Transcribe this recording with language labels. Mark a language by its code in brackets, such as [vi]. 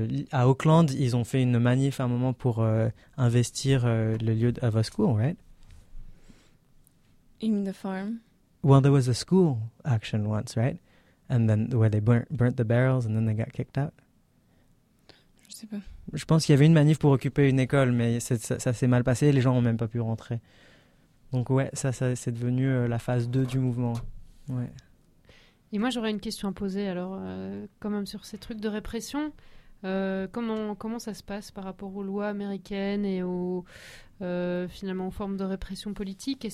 [fr] À Auckland, ils ont fait une manif à un moment pour investir le lieu de la [en] school, right? In the farm. Well, there was a school action once, right? And then where they burnt the barrels and then they got kicked out. [fr] Je pense qu'il y avait une manif pour occuper une école, mais ça s'est mal passé, les gens n'ont même pas pu rentrer. Donc ouais, ça c'est devenu la phase 2 du mouvement. Ouais. Et moi j'aurais une question à poser, alors quand même sur ces trucs de répression, comment ça se passe par rapport aux lois américaines et finalement aux formes de répression politique?